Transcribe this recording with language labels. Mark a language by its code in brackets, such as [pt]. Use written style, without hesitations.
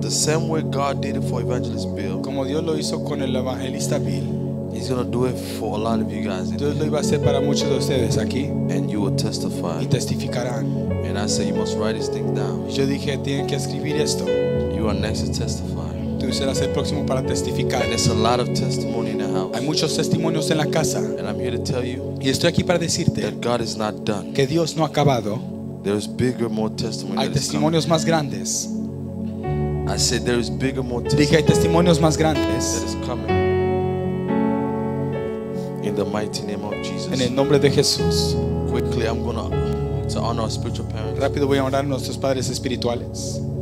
[en] The same way God did it for Evangelist Bill. [es] Como Dios lo hizo con el evangelista Bill. [en] He's gonna do it for a lot of you guys. [es] Dios lo iba a hacer para muchos de ustedes aquí. [en] And you will testify. [es] Y testificarán. [en] And I said you must write this thing down. [es] Yo dije tienen que escribir esto. [en] You are next to testify. [es] Tú serás el próximo para testificar. [en] And there's a lot of testimony in the house. [es] Hay muchos testimonios en la casa. [en] And I'm here to tell you. [es] Y estoy aquí para decirte [en] that God is not done. [es] Que Dios no ha acabado. [en] There's bigger, more testimony. [es] Hay testimonios más grandes. [en] I said there's bigger, more [es] testimony. Dije hay testimonios más grandes. [en] That is coming. In the mighty name of Jesus. [es] En el nombre de Jesús. [en] Quickly, I'm gonna to honor our spiritual parents. [es] Rápido voy a honrar a nuestros padres espirituales.